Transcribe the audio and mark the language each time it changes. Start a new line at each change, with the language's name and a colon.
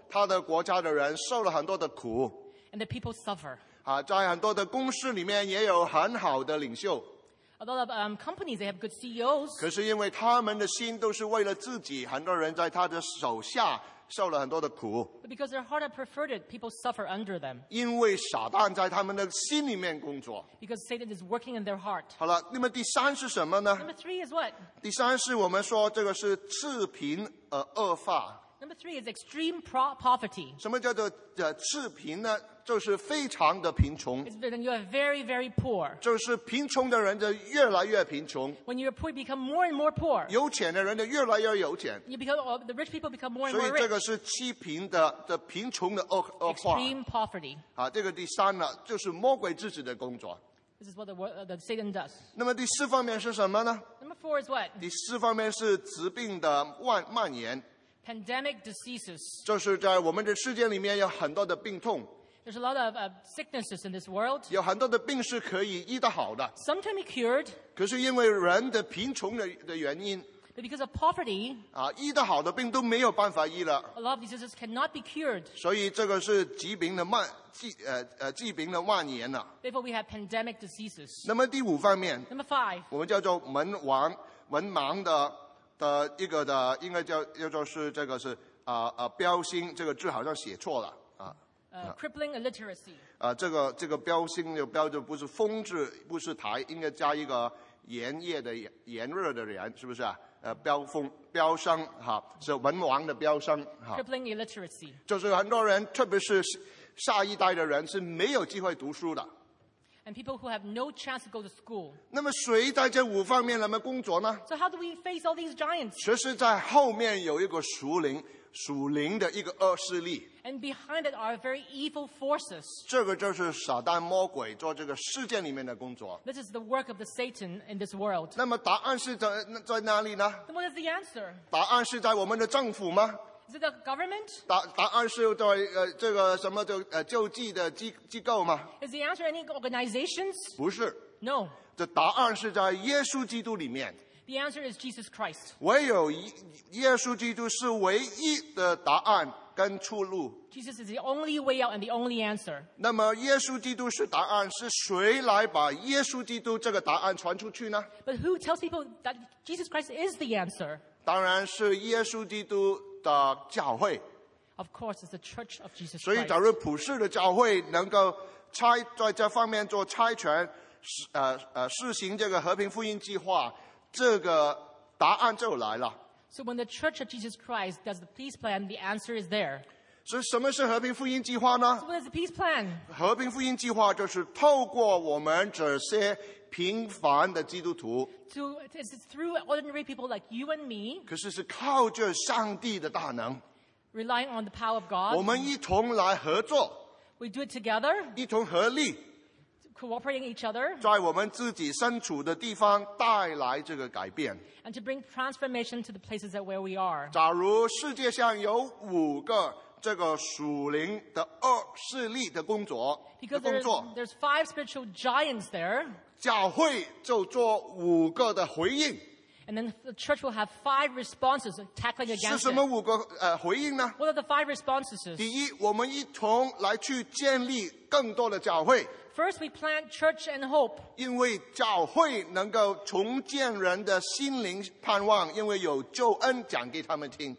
Chinese: 他的国家的人受了很多的苦。
English: And the people suffer.
Chinese: 在很多的公司里面也有很好的领袖。
English: A lot of companies, they have good CEOs.
Chinese: 可是因为他们的心都是为了自己，很多人在他的手下受了很多的苦。
English: But because their heart had perverted, people suffer under them.
Chinese: 因为撒旦在他们的心里面工作。
English: Because Satan is working in their heart.
Chinese: 好了，那么第三是什么呢？
English: Number three is what?
Chinese: 第三是我们说这个是赤贫而恶化。
English: Number three is extreme poverty.
Chinese: 什么叫做赤贫呢？就是非常的贫穷。
English: It's when you are very, very poor.
Chinese: 就是贫穷的人就越来越贫穷。
English: When you are poor, you become more and more poor.
Chinese: 有钱的人就越来越有钱。
English: You become, the rich people become more and more rich.
Chinese: 所以这个是赤贫的贫穷的恶化。
English: Extreme poverty.
Chinese: 啊，这个第三呢，就是魔鬼自己的工作。
English: This is what the Satan does.
Chinese: 那么第四方面是什么呢？
English: Number four is what?
Chinese: 第四方面是疾病的蔓延。
English: Pandemic diseases.
Chinese: 就是在我们的世界里面有很多的病痛。
English: There's a lot of sicknesses in this world.
Chinese: 有很多的病是可以医得好的。
English: Sometimes cured.
Chinese: 可是因为人的贫穷的原因。
English: But because of poverty.
Chinese: 啊，医得好的病都没有办法医了。
English: A lot of diseases cannot be cured.
Chinese: 所以这个是疾病的疾病的蔓延了。
English: Therefore, we have pandemic diseases.
Chinese: 那么第五方面。
English: Number five.
Chinese: 我们叫做文盲的。一个的应该叫是这个是标星，这个字好像写错了啊。
English: Crippling illiteracy。
Chinese: 这个标星就标就不是风字，不是台，应该加一个炎热的炎热的炎，是不是啊？标声哈，是文盲的标声哈。
English: Crippling illiteracy。
Chinese: 就是很多人，特别是下一代的人，是没有机会读书的。
English: And people who have no chance to go to school.
Chinese: 那么谁在这五方面来么工作呢？
English: So how do we face all these giants?
Chinese: 其实在后面有一个属灵的一个恶势力。
English: And behind it are very evil forces.
Chinese: 这个就是撒旦魔鬼做这个世界里面的工作。
English: This is the work of the Satan in this world.
Chinese: 那么答案是在哪里呢？
English: Then what is the answer?
Chinese: 答案是在我们的政府吗？
English: Is it the government?
Chinese: 答案是在这个什么就救济的机构吗？
English: Is the answer any organizations?
Chinese: 不是。
English: No.
Chinese: 这答案是在耶稣基督里面。
English: The answer is Jesus Christ.
Chinese: 唯有耶稣基督是唯一的答案跟出路。
English: Jesus is the only way out and the only answer.
Chinese: 那么耶稣基督是答案，是谁来把耶稣基督这个答案传出去呢？
English: But who tells people that Jesus Christ is the answer?
Chinese: 当然是耶稣基督的教会。
English: Of course, it's the Church of Jesus Christ.
Chinese: 所以，假如普世的教会能够在这方面做差权，实行这个和平福音计划，这个答案就来了。
English: So when the Church of Jesus Christ does the peace plan, the answer is there.
Chinese: 所以，什么是和平福音计划呢？
English: So what is the peace plan?
Chinese: 和平福音计划就是透过我们这些平凡的基督徒。
English: So it's through ordinary people like you and me.
Chinese: 可是是靠着上帝的大能。
English: Relying on the power of God.
Chinese: 我们一同来合作。
English: We do it together.
Chinese: 一同合力。
English: Cooperating each other.
Chinese: 在我们自己身处的地方带来这个改变。
English: And to bring transformation to the places that where we are.
Chinese: 假如世界上有五个这个属灵的恶势力的工作。
English: Because there's five spiritual giants there.
Chinese: 教会就做五个的回应。
English: And then the church will have five responses tackling against it.
Chinese: 是什么五个回应呢？
English: What are the five responses?
Chinese: 第一，我们一同来去建立更多的教会。
English: First, we plant church and hope.
Chinese: 因为教会能够重建人的心灵盼望，因为有救恩讲给他们听。